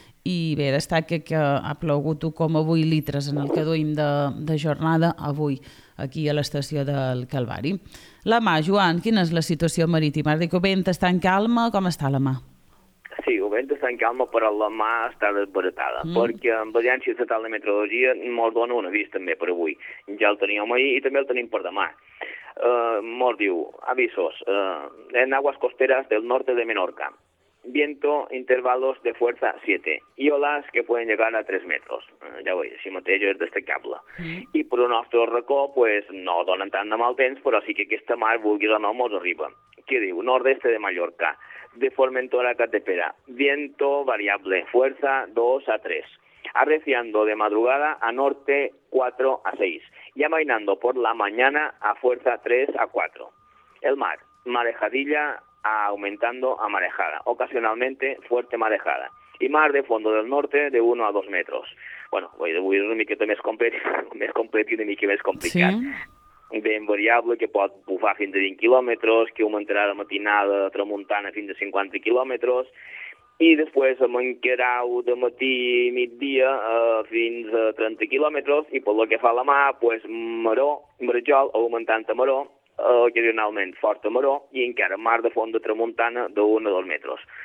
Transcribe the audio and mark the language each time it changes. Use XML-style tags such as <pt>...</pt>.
<ca>I bé, destaca que ha plogut 1,8 litres en el que duim de jornada avui aquí a l'estació del Calvari. La mà, Joan, quina és la situació marítima? Dic, el vent està en calma, com està la mà? Sí, el vent està en calma, però la mà està desbaratada, perquè amb l'Agència Estatal de Meteorologia ens dona un avís també per avui. Ja el teníem ahir i també el tenim per demà.</ca> <es>Ens diu, avisos, en aguas costeras del norte de Menorca. Viento, intervalos de fuerza 7 y olas que pueden llegar a 3 metros.</es> <ca>Ya voy, si mateix es destacable. Y por un nuestro racó, pues no donen tant de mal temps, però sí que aquesta mar, vulgui o no, mos arriba. Què diu?</ca> <es>Nordeste de Mallorca, de Formentora a Catepera. Viento variable, fuerza 2 a 3. Arreciando de madrugada a norte 4 a 6. Y amainando por la mañana a fuerza 3 a 4. El mar, marejadilla aumentando a marejada, ocasionalmente fuerte marejada, y mar de fondo del norte de 1 a 2 metros.</es> <ca>Bueno, voy a dir una miqueta més complet i una miqueta més complicat. Sí. Vent variable que pot bufar fins a 20 quilòmetres, que augmentarà de matinada a tramuntana fins a 50 quilòmetres, i després a manquerau de matí i migdia fins a 30 quilòmetres, i pel que fa a la mà, pues, maró, marjol, augmentant a maró, ocasionalment forta maró i encara mar de fons de tramuntana de 1 o 2 metres.</ca>